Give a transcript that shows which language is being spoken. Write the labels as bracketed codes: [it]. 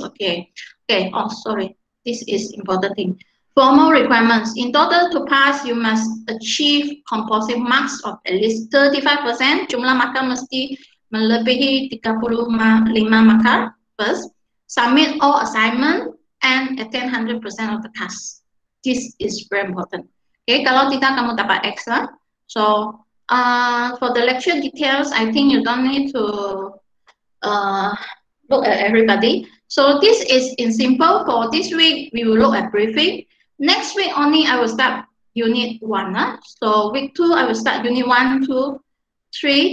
[en] Okay. Oh, sorry. This is important thing. Formal requirements. In total to pass, you must achieve composite marks of at least 35%. [ms] Jumlah markah mesti melebihi 35 markah first. [en] Submit all assignment and attend 100% of the task. This is very important. [ms] Okay, kalau tidak kamu dapat extra. [en] So for the lecture details, I think you don't need to look at everybody. So this is in simple. For this week, we will look at briefing. Next week only, I will start unit 1. So week 2, I will start unit 1, 2, 3.